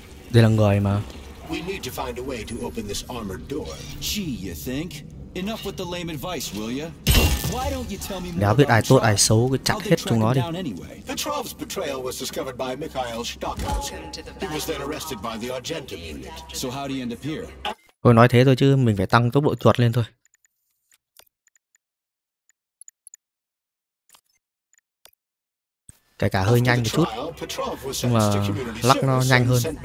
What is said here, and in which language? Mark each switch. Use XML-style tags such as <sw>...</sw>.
<vi>Đây là người mà.</vi> <en>We need to find a way to open this armored door. Gee, you think? Enough with the lame advice, will ya? Why don't you tell me more?</en> <vi>Nếu biết ai tốt ai xấu cứ chặt hết chúng nó đi.</vi> <en>Petrov's betrayal was discovered by Mikhail Stockhausen. He was then arrested by the Argentum unit. So how do you end up here?</en> <vi>Tôi nói thế thôi chứ mình phải tăng tốc độ chuột lên thôi. Kể cả hơi nhanh một chút. Nhưng mà lắc nó nhanh hơn.</vi>